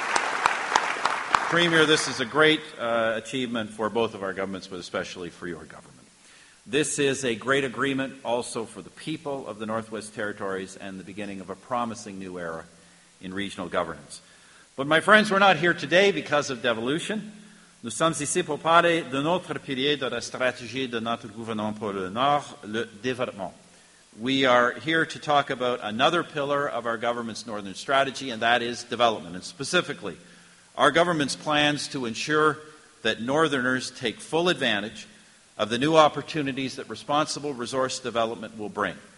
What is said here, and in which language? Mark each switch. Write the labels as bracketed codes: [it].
[en] Premier, this is a great achievement for both of our governments, but especially for your government. This is a great agreement also for the people of the Northwest Territories and the beginning of a promising new era in regional governance. But my friends, we're not here today because of devolution. [fr] Nous sommes ici pour parler de notre pilier de la stratégie de notre gouvernement pour le Nord, le développement. [en] We are here to talk about another pillar of our government's northern strategy, and that is development, and specifically, our government's plans to ensure that northerners take full advantage of the new opportunities that responsible resource development will bring.